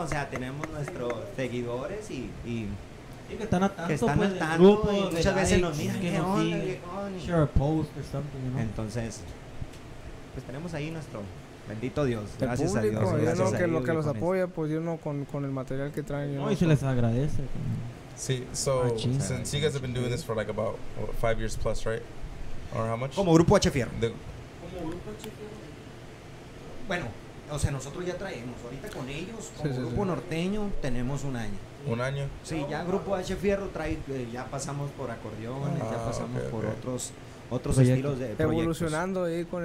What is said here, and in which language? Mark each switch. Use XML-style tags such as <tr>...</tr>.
<es>O sea, tenemos nuestros seguidores y Que están al tanto, pues, y muchas veces nos miran, ¿qué onda?</es> <en>Share a post or something, you know?</en> <es>Entonces, pues tenemos ahí nuestro bendito Dios, gracias a Dios. Y lo que Dios los apoya, eso. Pues, uno con el material que traen. No, y se les agradece.</es> <en>Sí, so, since you guys have been doing this for like about 5 years plus, right? Or how much?</en> <es>Como grupo HFR. Como grupo HFR. Bueno, o sea, nosotros ya traemos, ahorita con ellos, como grupo norteño, tenemos un año. ¿Un año? Sí, ya grupo H Fierro trae, ya pasamos por acordeones, ya pasamos por otros proyecto. Estilos de proyectos. Evolucionando ahí con</es>